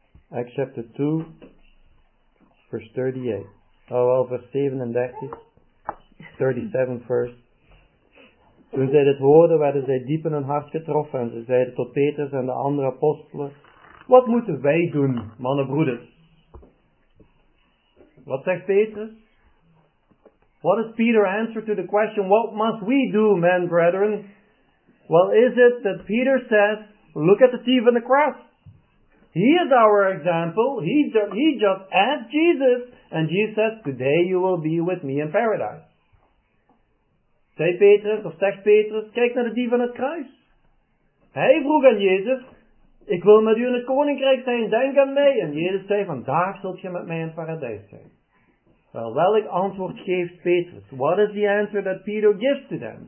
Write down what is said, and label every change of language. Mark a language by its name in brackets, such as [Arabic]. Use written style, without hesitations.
[English] Acts chapter 2 verse 38. Oh, well, vers 37, 37 first. [Dutch] Toen zij dit hoorden, werden zij diep in hun hart getroffen en ze zeiden tot Petrus en de andere apostelen, wat moeten wij doen, mannen broeders? Wat zegt Petrus? [English] What is Peter's answer to the question, what must we do, men brethren? Well, is it that Peter says, look at the thief on the cross. He is our example. He just asked Jesus, And Jesus says, today you will be with me in paradise. [Dutch] Zei Petrus, of zegt Petrus, kijk naar de dief van het kruis. Hij vroeg aan Jezus, ik wil met u in het koninkrijk zijn, denk aan mij. En Jezus zei, vandaag zult je met mij in het paradijs zijn. Wel, welk antwoord geeft Petrus? [English] What is the answer that Peter gives to them?